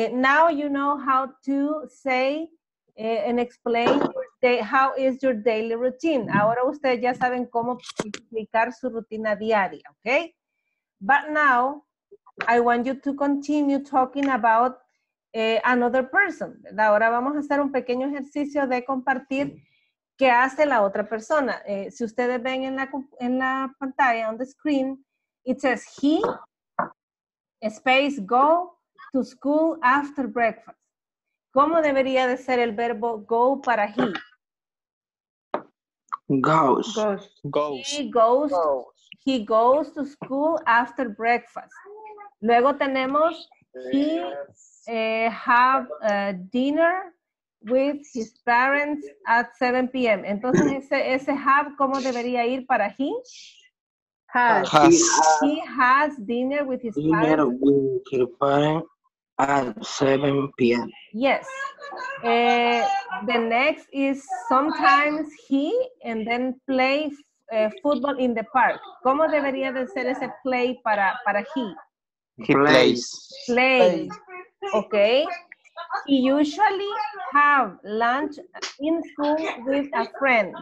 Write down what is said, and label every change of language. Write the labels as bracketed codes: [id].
[en] Now you know how to say and explain how is your daily routine. [es] Ahora ustedes ya saben cómo explicar su rutina diaria, ¿ok? [en] But now, I want you to continue talking about another person. [es] Ahora vamos a hacer un pequeño ejercicio de compartir qué hace la otra persona. Si ustedes ven en la pantalla, [en] on the screen, it says he... Space, go to school after breakfast. [es] ¿Cómo debería de ser el verbo go para he? [en] Goes. Goes. Goes. He goes. He goes to school after breakfast. [es] Luego tenemos [en] he have dinner with his parents at 7 p.m. [es] Entonces, ese have, ¿cómo debería ir para he? [en] Has. He has dinner with his parents at 7 p.m. Yes. The next is sometimes he and then play football in the park. [es] ¿Cómo debería de ser ese play para he? [en] He plays. Play. Okay. He usually have lunch in school with a friend.